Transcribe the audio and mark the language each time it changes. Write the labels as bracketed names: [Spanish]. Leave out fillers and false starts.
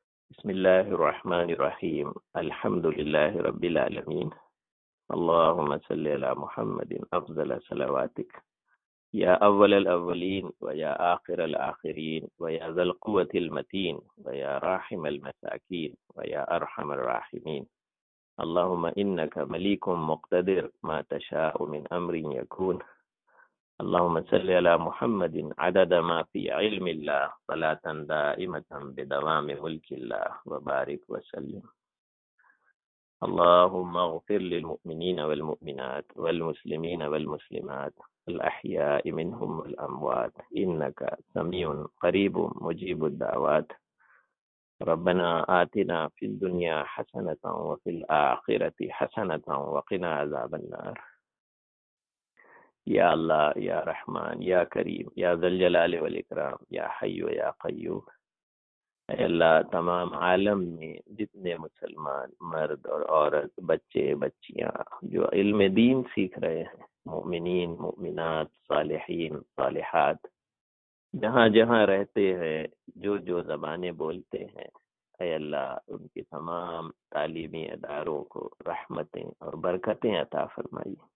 [Arabic] बिस्मिल्लाहिर्रहमानिर्रहीम, अल्हम्दुलिल्लाह रब्बिल आलमीन, अल्लाहुम्मा सल्ली अला मुहम्मदिन अफ़ज़ल सलावातिक, يا أول الأولين ويا آخر الآخرين ويا ذا القوة المتين ويا راحم المساكين ويا أرحم الراحمين. اللهم إنك مليك مقتدر، ما تشاء من أمر يكون. اللهم صل على محمد عدد ما في علم الله، صلاة دائمة بدوام ملك الله، وبارك وسلم. اللهم اغفر للمؤمنين والمؤمنات والمسلمين والمسلمات الأحياء منهم والأموات إنك سميع قريب مجيب الدعوات. ربنا آتنا في الدنيا حسنة وفي الآخرة حسنة وقنا عذاب النار. يا الله يا رحمن يا كريم يا ذا الجلال والإكرام يا حي يا قيوم، [Urdu] اے اللہ تمام عالم میں جتنے مسلمان مرد اور عورت، بچے بچیاں جو علم دین سیکھ رہے ہیں، مومنین مومنات، صالحین صالحات، جہاں جہاں رہتے ہیں، جو جو زبانیں بولتے ہیں، اے اللہ ان کی تمام تعلیمی اداروں کو رحمتیں اور برکتیں عطا فرمائی.